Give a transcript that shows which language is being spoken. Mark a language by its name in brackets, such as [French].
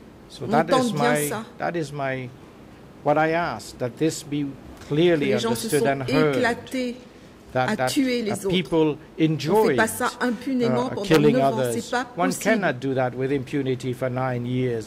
[English] So that is my, what I ask, that this be clearly understood and heard. [French] Les gens se sont éclatés à tuer les autres. [English] People enjoyed [French] on ne fait pas ça impunément pendant 9 ans, c'est pas possible. [English] One cannot do that with impunity for 9 years.